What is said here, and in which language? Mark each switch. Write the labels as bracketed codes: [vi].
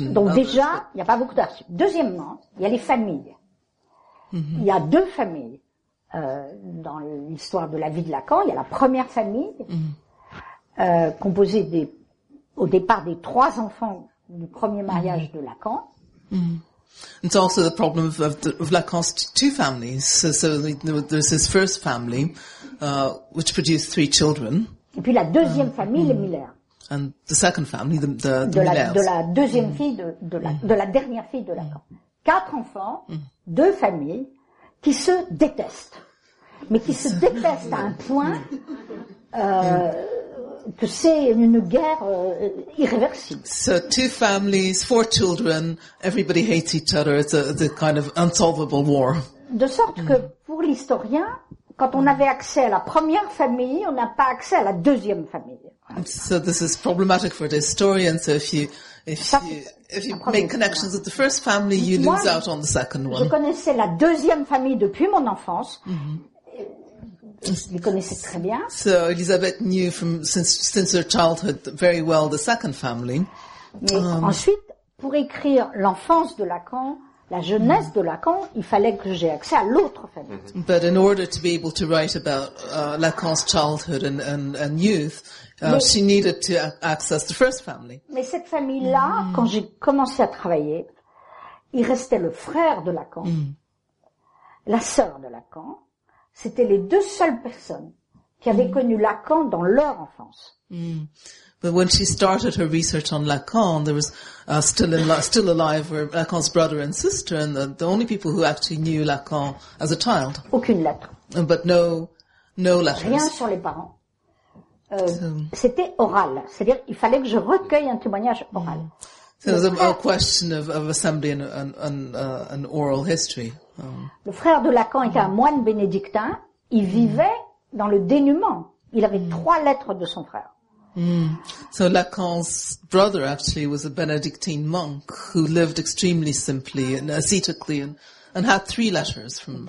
[fr] Donc déjà, il n'y a pas beaucoup d'archives. Deuxièmement, il y a les familles. Il y a deux familles dans l'histoire de la vie de Lacan. Il y a la première famille composée au départ des trois enfants du premier mariage de Lacan. [en] It's also the problem of Lacan's two families. So there's his first family, which produced three children. [fr] Et puis la deuxième famille, les Miller. [en] And the second family, the Millers. [fr] De la deuxième fille de la dernière fille de Lacan. Quatre enfants, deux familles, qui se détestent. Mais qui se détestent à un point que c'est une guerre irréversible. [en] So two families, four children, everybody hates each other. It's a kind of unsolvable war. [fr] De sorte que pour l'historien, quand on avait accès à la première famille, on n'a pas accès à la deuxième famille. [en] So this is problematic for the historian. So if you make connections with the first family, you lose out on the second one. [fr] Je connaissais la deuxième famille depuis mon enfance. Je les connaissais très bien. [en] So Elizabeth knew from since her childhood very well the second family. [fr] Ensuite, pour écrire l'enfance de Lacan, la jeunesse de Lacan, il fallait que j'aie accès à l'autre famille. [en] But in order to be able to write about Lacan's childhood and youth, she needed to access the first family. [fr] Mais cette famille-là, quand j'ai commencé à travailler, il restait le frère de Lacan, la sœur de Lacan. C'était les deux seules personnes qui avaient connu Lacan dans leur enfance. [en] But when she started her research on Lacan, there was still alive were Lacan's brother and sister, and the only people who actually knew Lacan as a child. [fr] Aucune lettre. [en] But no letters. [fr] Rien sur les parents. C'était oral. C'est-à-dire, il fallait que je recueille un témoignage oral. [en] So there's a question of assembly and an oral history. [fr] Le frère de Lacan était un moine bénédictin. Il vivait dans le dénuement. Il avait trois lettres de son frère. [en] So Lacan's brother actually was a Benedictine monk who lived extremely simply and ascetically and had three letters from Lacan.